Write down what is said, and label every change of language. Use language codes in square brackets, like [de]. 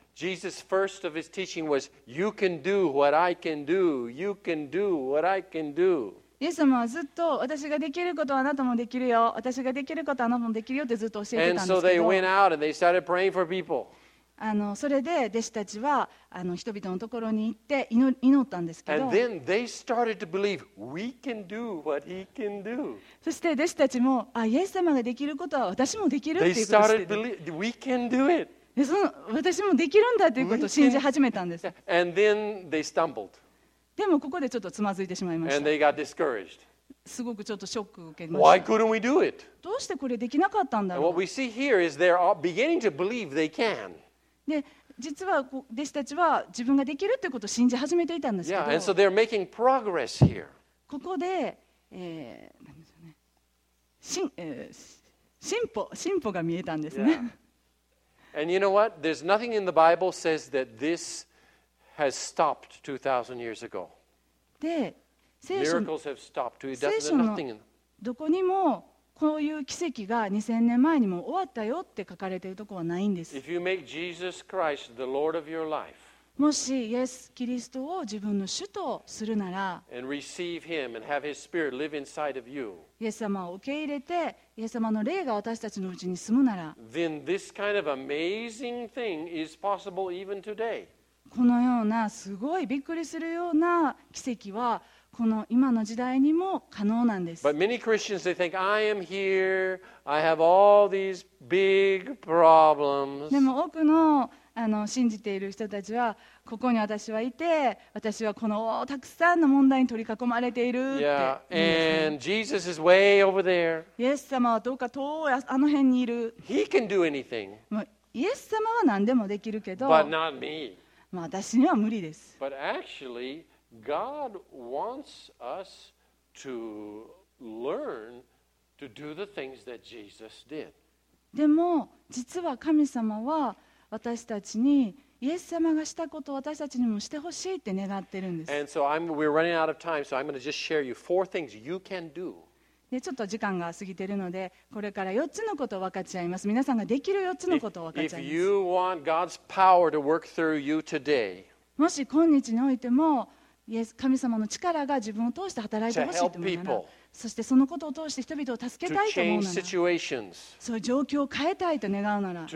[en] Jesus' first of his teaching was, You can do what I can do. You can do what I can do. [ja] イエス様はずっと、私ができることはあなたもできるよ。私ができることはあなたもできるよってずっと教えてたんですけど。 [en] And so they went out and they started praying for people. [ja] それで弟子たちは人々のところに行って祈ったんですけど。 [en] And then they started to believe, We can do what he can do. [ja] そして弟子たちも、あ、イエス様ができることは私もできるっていうことで。 [en] They started to believe, We can do it. [ja] で、その私もできるんだということを信じ始めたんです。 [en] And then they stumbled. [ja] でもここでちょっとつまずいてしまいました。 [en] And they got discouraged. [ja] すごくちょっとショックを受けました。 [en] Why couldn't we do it? [ja] どうしてこれできなかったんだろう。 [en] And what we see here is they're beginning to believe they can. [ja] で、実は弟子たちは自分ができるということを信じ始めていたんですけど。 [en] Yeah, and so they're making progress here. [ja] ここで、なんでしょうね。進歩が見えたんですね。 [en] Yeah. And you know what? There's nothing in the Bible says that this has stopped 2,000 years ago. Miracles have stopped. There's nothing in. [ja] どこにもこういう奇跡が2000年前にも終わったよって書かれているところはないんです。 [en] If you make Jesus Christ the Lord of your life, [ja] もしイエス・キリストを自分の主とするなら、 [en] and receive Him and have His Spirit live inside of you. [ja] イエス様を受け入れて、イエス様の霊が私たちのうちに住むなら、 [en] kind of amazing thing is possible even today. [ja] このようなすごいびっくりするような奇跡は、この今の時代にも可能なんです。 [en] But many Christians, they think, I am here, I have all these big problems. [ja] でも多くの信じている人たちは、ここに私はいて、私はこのたくさんの問題に取り囲まれているって言うんですね。 [en] Yeah, and Jesus is way over there. [ja] イエス様はどうか遠いあの辺にいる。 [en] He can do anything. [ja] イエス様は何でもできるけど、 [en] But not me. [ja] 私には無理です。 [en] But actually, God wants us to learn to do the things that Jesus did. [ja] でも実は神様は私たちにイエス様がしたことを私たちにもしてほしいって願ってるんです。 [en] And so we're running out of time, so I'm going to just share you four things you can do. [ja] ちょっと時間が過ぎてるので、これから4つのことを分かち合います。皆さんができる4つのことを分かち合います。 [en] If you want God's power to work through you today, [ja] もし今日においても、イエス神様の力が自分を通して働いてほしいと思うなら、そしてそのことを通して人々を助けたいと思うなら、そういう状況を変えたいと願うなら、